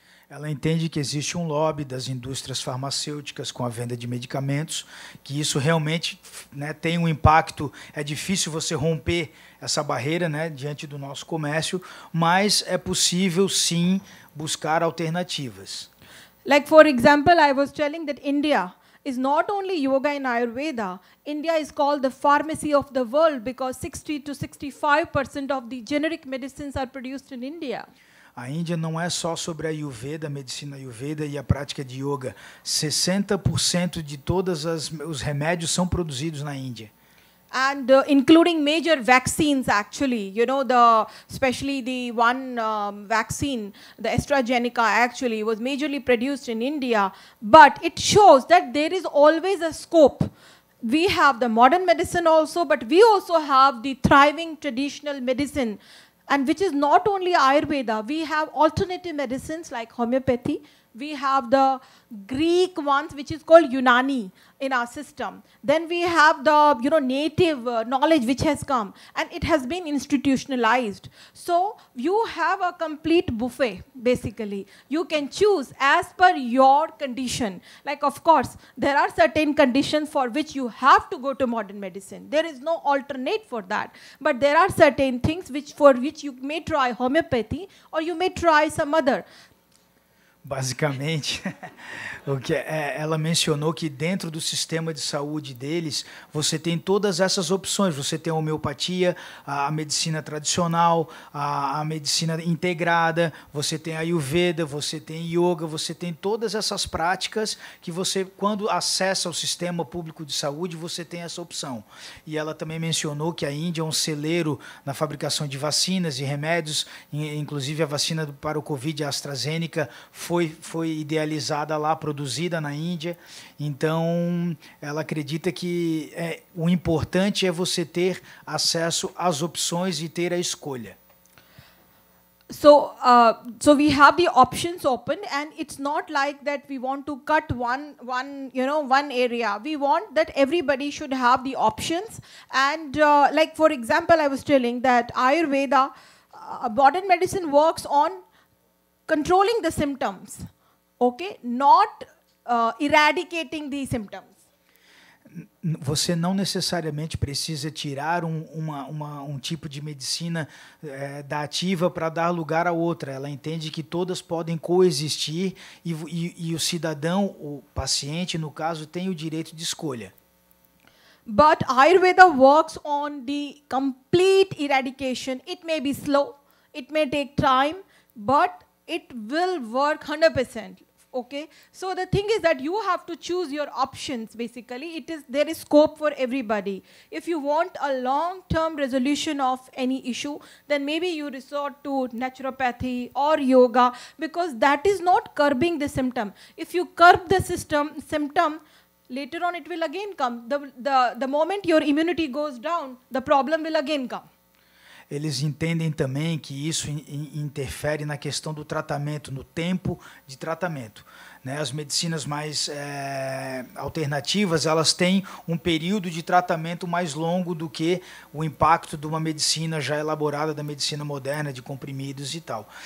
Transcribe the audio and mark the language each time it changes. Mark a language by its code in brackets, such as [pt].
[pt] Ela entende que existe lobby das indústrias farmacêuticas com a venda de medicamentos, que isso realmente, né, tem impacto. É difícil você romper essa barreira, né, diante do nosso comércio, mas é possível, sim, buscar alternativas. [en] Like, for example, I was telling that India is not only yoga and Ayurveda. India is called the pharmacy of the world because 60 to 65% of the generic medicines are produced in India. A Índia não é só sobre a Ayurveda, a medicina Ayurveda e a prática de yoga. 60% de todos os remédios são produzidos na Índia. And including major vaccines, actually, you know, especially the one vaccine, the AstraZeneca, actually was majorly produced in India. But it shows that there is always a scope. We have the modern medicine also, but we also have the thriving traditional medicine, and which is not only Ayurveda. We have alternative medicines like homeopathy. We have the Greek ones, which is called Yunani, in our system. Then we have the, you know, native knowledge which has come, and it has been institutionalized. So you have a complete buffet, basically. You can choose as per your condition. Like, of course, there are certain conditions for which you have to go to modern medicine. There is no alternate for that. But there are certain things which for which you may try homeopathy, or you may try some other. [pt] Basicamente, o que ela mencionou que dentro do sistema de saúde deles, você tem todas essas opções. Você tem a homeopatia, a medicina tradicional, a medicina integrada, você tem a Ayurveda, você tem yoga, você tem todas essas práticas que você, quando acessa o sistema público de saúde, você tem essa opção. E ela também mencionou que a Índia é um celeiro na fabricação de vacinas e remédios, inclusive a vacina para o Covid, a AstraZeneca, foi idealizada lá, produzida na Índia. Então, ela acredita que o importante é você ter acesso às opções e ter a escolha. [en] So we have the options open, and it's not like that we want to cut one area. We want that everybody should have the options. And like, for example, I was telling that Ayurveda, modern medicine works on controlling the symptoms, okay? Not eradicating the symptoms. [pt] Você não necessariamente precisa tirar um tipo de medicina da ativa para dar lugar a outra. Ela entende que todas podem coexistir e o cidadão, o paciente, no caso, tem o direito de escolha. [en] But Ayurveda works on the complete eradication. It may be slow, it may take time, but it will work 100%, okay? So the thing is that you have to choose your options, basically. There is scope for everybody. If you want a long-term resolution of any issue, then maybe you resort to naturopathy or yoga, because that is not curbing the symptom. If you curb the symptom, later on it will again come. The moment your immunity goes down, the problem will again come. [pt] Eles entendem também que isso interfere na questão do tratamento, no tempo de tratamento. As medicinas mais alternativas, elas têm período de tratamento mais longo do que o impacto de uma medicina já elaborada, da medicina moderna, de comprimidos e tal.